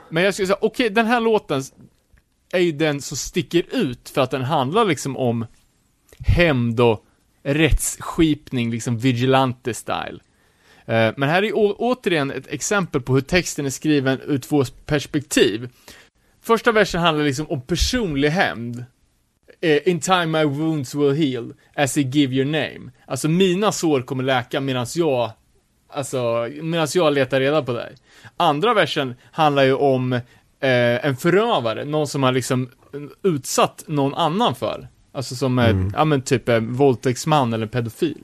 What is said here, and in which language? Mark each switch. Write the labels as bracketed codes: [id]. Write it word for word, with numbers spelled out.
[sv] Men jag skulle säga, okej, okay, den här låten är ju den som sticker ut för att den handlar liksom om hämnd och rättsskipning, liksom vigilante style. Eh, men här är å- återigen ett exempel på hur texten är skriven ur två perspektiv. Första versen handlar liksom om personlig hämnd. [en] Eh, In time my wounds will heal as I give your name. [sv] Alltså mina sår kommer läka medan jag alltså medan jag letar reda på dig. Andra versen handlar ju om eh, en förövare, någon som har liksom utsatt någon annan för. Alltså som är, mm. ja men typ en våldtäktsman eller en pedofil.